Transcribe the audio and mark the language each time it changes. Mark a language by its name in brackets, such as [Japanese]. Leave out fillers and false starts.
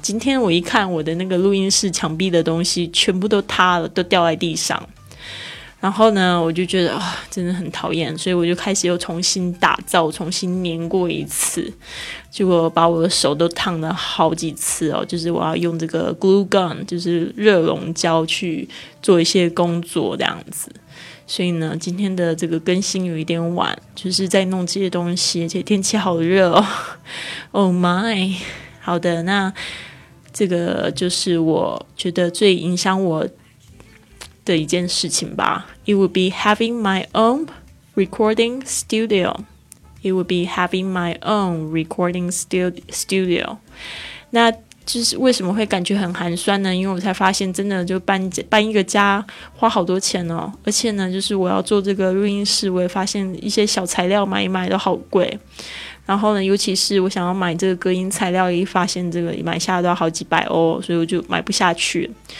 [Chinese] 今天我一看我的那个录音室墙壁的东西全部都塌了，都掉在地上，然后呢我就觉得、真的很讨厌，所以我就开始又重新打造，重新粘过一次，结果把我的手都烫了好几次哦，就是我要用这个 glue gun 就是热熔胶去做一些工作这样子。所以呢今天的这个更新有一点晚，就是在弄这些东西，而且天气好热哦。 [English] Oh my。 [Chinese] 好的，那这个就是我觉得最影响我的一件事情吧。 [English] It would be having my own recording studio. It would be having my own recording studio. [Chinese] 那就是为什么会感觉很寒酸呢？因为我才发现真的就 搬一个家花好多钱哦，而且呢就是我要做这个录音室，我也发现一些小材料买一买都好贵，然后呢尤其是我想要买这个隔音材料，一发现这个买下来都要好几百欧，所以我就买不下去。